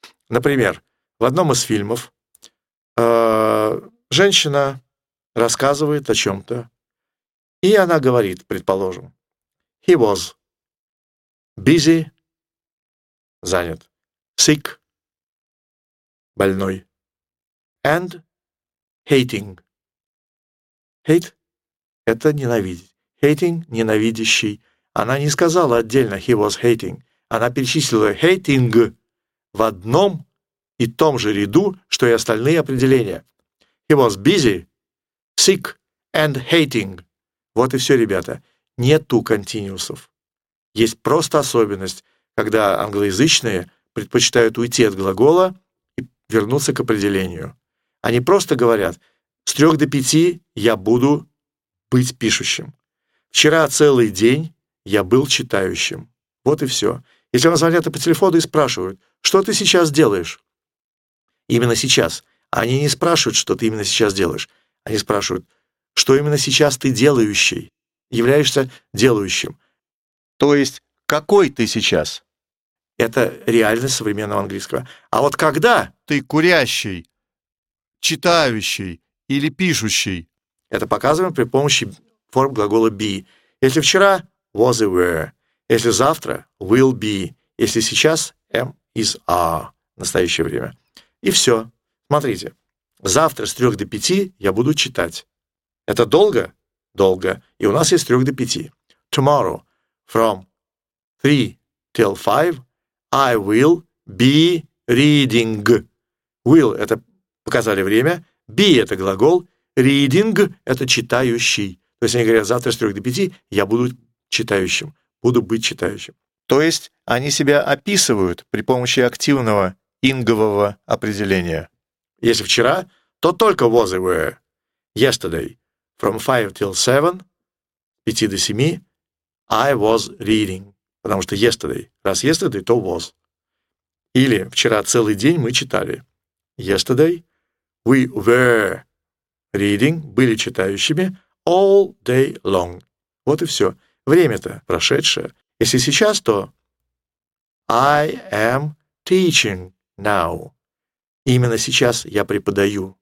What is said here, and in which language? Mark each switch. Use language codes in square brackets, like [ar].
[ru] Например, в одном из фильмов женщина рассказывает о чем-то, и она говорит, предположим, [en] «He was busy», [ru] занят, «sick», больной, [en] «and hating». [ru] «Hate» — это ненавидеть. «Hating» — ненавидящий. Она не сказала отдельно [en] «he was hating». [ru] Она перечислила «hating» в одном и том же ряду, что и остальные определения. [en] «He was busy, sick and hating». [ru] Вот и все, ребята. Нету континиусов. Есть просто особенность, когда англоязычные предпочитают уйти от глагола и вернуться к определению. Они просто говорят «с 3 до 5 я буду быть пишущим». «Вчера целый день я был читающим». Вот и все. Если вам звонят по телефону и спрашивают «что ты сейчас делаешь?» Именно сейчас. Они не спрашивают, что ты именно сейчас делаешь. Они спрашивают, что именно сейчас ты делающий, являешься делающим. То есть, какой ты сейчас? Это реальность современного английского. А вот когда? Ты курящий, читающий или пишущий? Это показываем при помощи форм глагола be. Если вчера was и were. Если завтра will be. Если сейчас am is are. Настоящее время. И все. Смотрите, завтра с 3 до 5 я буду читать. Это долго? Долго. И у нас есть 3 до 5. [en] Tomorrow from 3 till 5 I will be reading. [ru] Will – это показали время. Be – это глагол. Reading – это читающий. То есть они говорят, завтра с 3 до 5 я буду читающим. Буду быть читающим. То есть они себя описывают при помощи активного ингового определения. Если вчера, то только was и were. [en] Yesterday, from 5 till 7, [ru] 5 до 7, [en] I was reading. [ru] Потому что yesterday. Раз yesterday, то was. Или вчера целый день мы читали. [en] Yesterday, we were reading, [ru] были читающими, [en] all day long. [ru] Вот и все. Время-то прошедшее. Если сейчас, то [en] I am teaching. Now. [ru] Именно сейчас я преподаю.